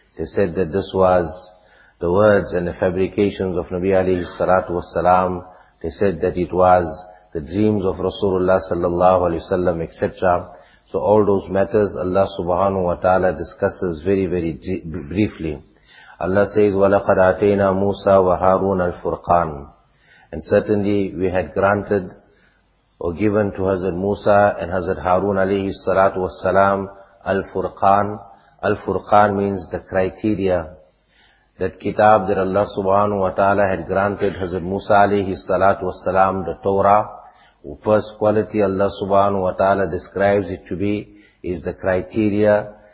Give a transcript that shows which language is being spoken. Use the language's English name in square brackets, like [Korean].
[English] They said that this was the words and the fabrications of Nabi alayhi salatu wasalam. They said that it was the dreams of Rasulullah sallallahu alayhi wasallam, etc. So all those matters Allah subhanahu wa ta'ala discusses very, very briefly. Allah says, [Arabic] وَلَقَدْ عَتَيْنَا مُوسَى وَهَارُونَ الْفُرْقَانِ. [English] And certainly we had granted or given to Hazrat Musa and Hazrat Harun alayhi salatu wasalam al-Furqan. Al-Furqan means the criteria. That kitab that Allah subhanahu wa ta'ala had granted Hazrat Musa alayhi salatu wasalam, the Torah, first quality Allah subhanahu wa ta'ala describes it to be, is the criteria.